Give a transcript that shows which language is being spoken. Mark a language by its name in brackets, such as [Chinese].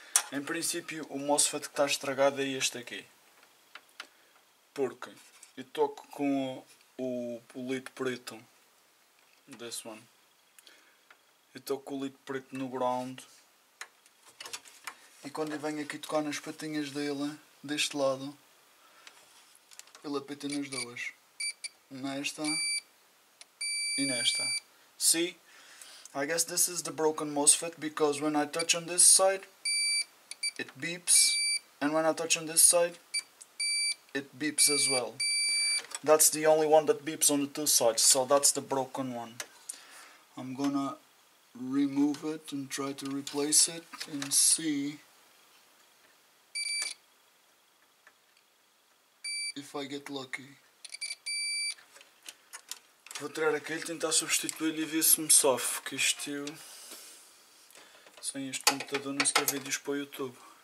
[Portuguese] Em princípio, o MOSFET que está estragado é este aqui. Porque eu toco com o lead preto. [English] This one. [Portuguese] Eu toco com o lead preto no ground. E quando eu venho aqui tocar nas patinhas dele, deste lado, ele apita nas duas. Nesta e nesta. [English] See? I guess this is the broken MOSFET, because when I touch on this side, it beeps. And when I touch on this side, it beeps as well. That's the only one that beeps on the two sides, so that's the broken one. I'm gonna remove it and try to replace it and see if I get lucky. [Portuguese] Vou tirar aquele, tentar substituir e ver se me sofre, que isto, sem este computador, não sequer vídeos para o YouTube.